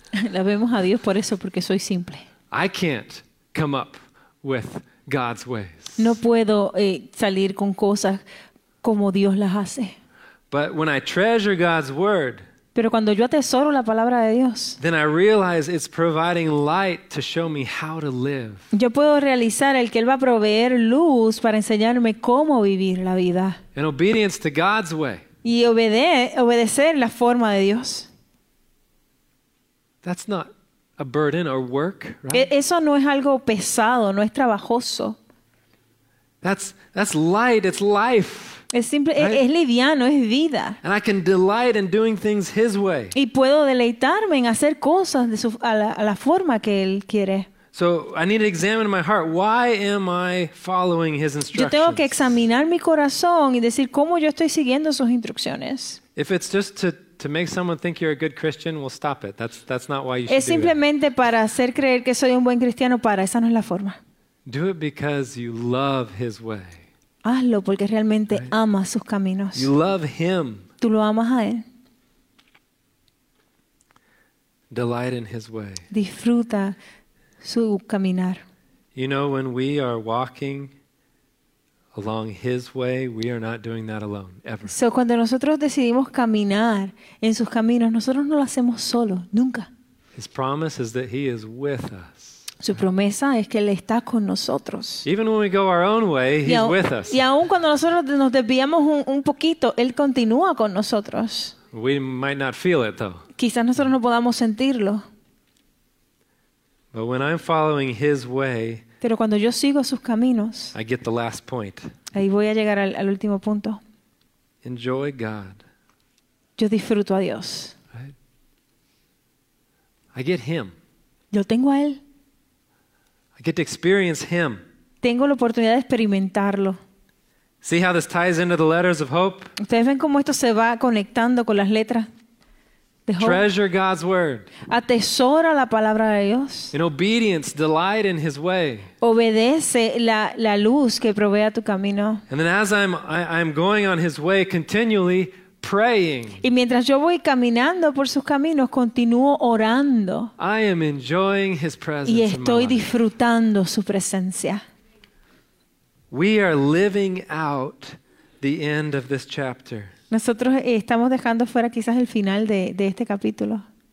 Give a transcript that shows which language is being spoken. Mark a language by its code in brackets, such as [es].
[es] La vemos a Dios por eso, porque soy simple. [en] I can't come up with God's ways. [es] No puedo salir con cosas como Dios las hace. [en] But when I treasure God's word, [es] pero cuando yo atesoro la palabra de Dios, [en] then I realize it's providing light to show me how to live. [es] Yo puedo realizar el que Él va a proveer luz para enseñarme cómo vivir la vida. [en] In obedience to God's way. [es] Y obedecer la forma de Dios. [en] That's not a burden or work, right? [es] Eso no es algo pesado, no es trabajoso. [en] That's light, it's life. [es] Es simple, right? Es liviano, es vida. [en] And I can delight in doing things His way. [es] Y puedo deleitarme en hacer cosas a la forma que Él quiere. [en] So I need to examine my heart. Why am I following His instructions? [es] Yo tengo que examinar mi corazón y decir cómo yo estoy siguiendo sus instrucciones. [en] If it's just to make someone think you're a good Christian, we'll stop it. That's not why you should do it. [es] Es simplemente para hacer creer que soy un buen cristiano. Para esa no es la forma. [en] Do it because you love His way. [es] Hazlo porque realmente amas sus caminos. [en] You love Him. [es] Tú lo amas a Él. [en] Delight in His way. [es] Disfruta su caminar. [en] You know, when we are walking along His way, we are not doing that alone, ever. [es] So cuando nosotros decidimos caminar en sus caminos, nosotros no lo hacemos solo, nunca. [en] His promise is that He is with us. [es] Su promesa es que Él está con nosotros. [en] Even when we go our own way, He's with us. [es] Y aun cuando nosotros nos desviamos un poquito, Él continúa con nosotros. [en] We might not feel it though. [es] Quizás nosotros no podamos sentirlo. [en] But when I'm following His way, [es] pero cuando yo sigo sus caminos, [en] I get the last point. [es] Ahí voy a llegar al último punto. [en] Enjoy God. [es] Yo disfruto a Dios. [en] I get Him. [es] Yo tengo a Él. [en] I get to experience Him. [es] Tengo la oportunidad de experimentarlo. [en] See how this ties into the letters of hope? [es] ¿Ustedes ven cómo esto se va conectando con las letras? [en] Treasure God's word. [es] Atesora la palabra de Dios. [en] In obedience, delight in His way. [es] Obedece la luz que provee a tu camino. [en] And then as I'm going on His way, continually praying. [es] Y mientras yo voy caminando por sus caminos, continúo orando. [en] I am enjoying His presence. [es] Y estoy disfrutando su presencia. [en] We are living out the end of this chapter. [es] Nosotros estamos dejando fuera quizás el final de este capítulo.